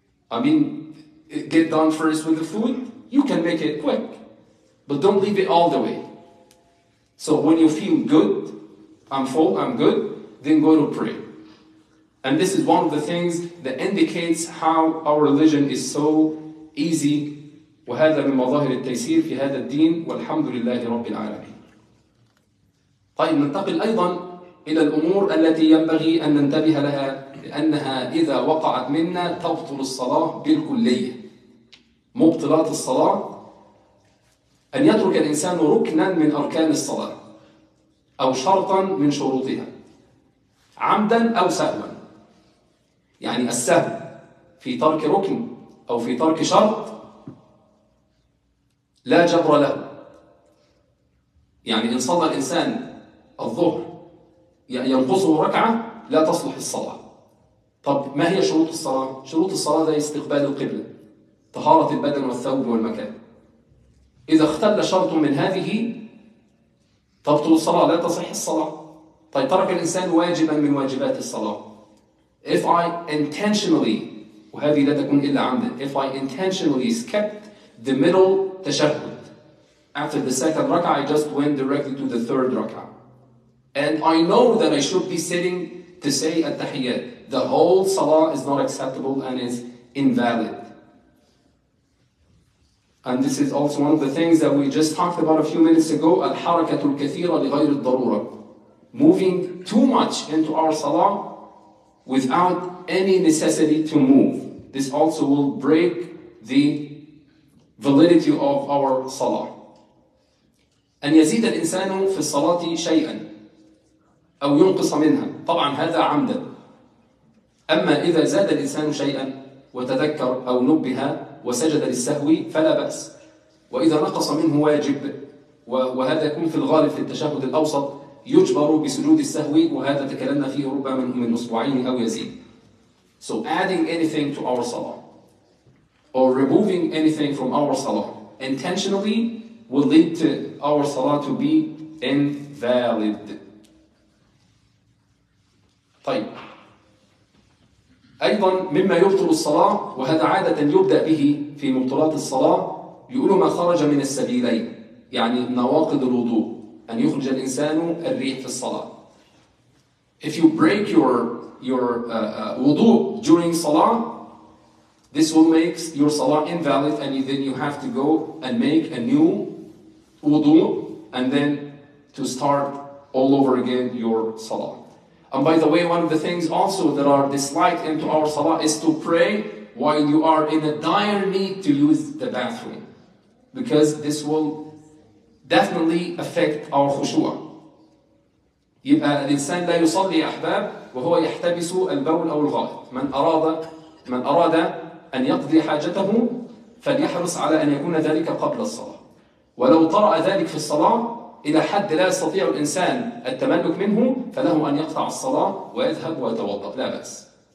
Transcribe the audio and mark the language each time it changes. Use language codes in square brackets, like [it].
[en] I mean, get done first with the food, you can make it quick, but don't leave it all the way. So when you feel good, I'm full, I'm good, then go to pray. And this is one of the things that indicates how our religion is so easy. [ar] وهذا من مظاهر التيسير في هذا الدين والحمد لله رب العالمين. طيب ننتقل أيضا إلى الأمور التي ينبغي أن ننتبه لها, لأنها إذا وقعت منا تبطل الصلاة بالكلية. مبطلات الصلاة, أن يترك الإنسان ركنا من أركان الصلاة أو شرطا من شروطها عمدا أو سهوا. يعني السهو في ترك ركن أو في ترك شرط لا جبر له. يعني إن صلى الإنسان الظهر ينقصه ركعة لا تصلح الصلاة. طب ما هي شروط الصلاة؟ شروط الصلاة هي استقبال القبلة, طهارة البدن والثوب والمكان. إذا اختل شرط من هذه تبطل الصلاة, لا تصح الصلاة. طيب ترك الإنسان واجبا من واجبات الصلاة. [en] If I intentionally, [ar] وهذه لا تكون إلا عمدا, [en] if I intentionally skipped the middle تشهد, after the second ركعة I just went directly to the third ركعة, and I know that I should be sitting to say التحيات, the whole salah is not acceptable and is invalid. And this is also one of the things that we just talked about a few minutes ago, [ar] الحركة الكثيرة لغير الضرورة, [en] moving too much into our salah without any necessity to move. This also will break the validity of our salah. [ar] أن يزيد الإنسان في الصلاة شيئا أو ينقص منها, طبعا هذا عمدا. أما إذا زاد الإنسان شيئا وتذكر أو نبه وسجد للسهو فلا بأس. وإذا نقص منه واجب, وهذا يكون في الغالب في التشهد الأوسط, يجبر بسجود السهو, وهذا تكلمنا فيه ربما من أسبوعين أو يزيد. [en] So adding anything to our salah or removing anything from our salah intentionally will lead to our salah to be invalid. [ar] طيب أيضا مما يبطل الصلاة وهذا عادة يبدأ به في مبطلات الصلاة يقول ما خرج من السبيلين يعني نواقض الوضوء أن يخرج الإنسان الريح في الصلاة. [en] If you break your wudu during salah, this will make your salah invalid, and then you have to go and make a new wudu and then to start all over again your salah. And by the way, one of the things also that are disliked into our salah is to pray while you are in a dire need to use the bathroom, because this will definitely affect our khushu'ah. [ar] يبقى الإنسان لا يصلي أحباب وهو يحتبس البول أو الغائط. من أراد أن يقضي حاجته فليحرص على أن يكون ذلك قبل الصلاة. ولو طرأ ذلك في الصلاة إلى حد لا يستطيع الإنسان التملك منه فله أن يقطع الصلاة ويذهب ويتوضأ لا بأس.